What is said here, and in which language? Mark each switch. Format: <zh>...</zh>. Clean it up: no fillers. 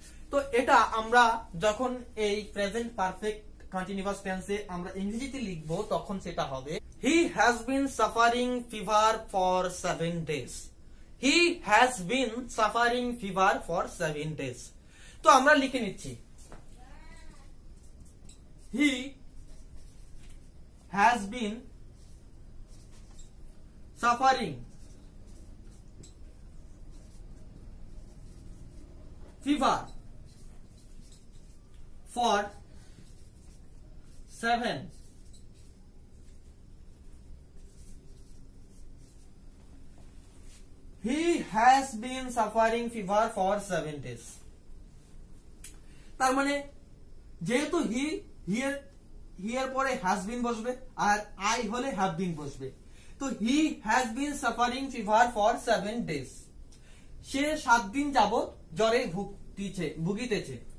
<bn>তো এটা আমরা যখন এই প্রেজেন্ট পারফেক্ট কন্টিনিউয়াস টেন্সে আমরা ইংরেজিতে লিখব তখন সেটা হবে</bn> <en>He has been suffering fever for 7 days, he has been suffering fever for 7 days.</en> <bn>তো আমরা লিখে নিচ্ছি</bn> <en>he has been suffering fever for 7 days. He has been suffering fever for 7 days.</en> <bn>তার মানে যেহেতু হি হিয়ার পরে হ্যাজ বিন বসবে আর I হলে হ্যাভ বিন বসবে, তো</bn> <en>he has been suffering fever for 7 days,</en> <bn>সে 7 দিন যাবৎ জ্বরে ভুগতেছে ভুগিতেছে।</bn>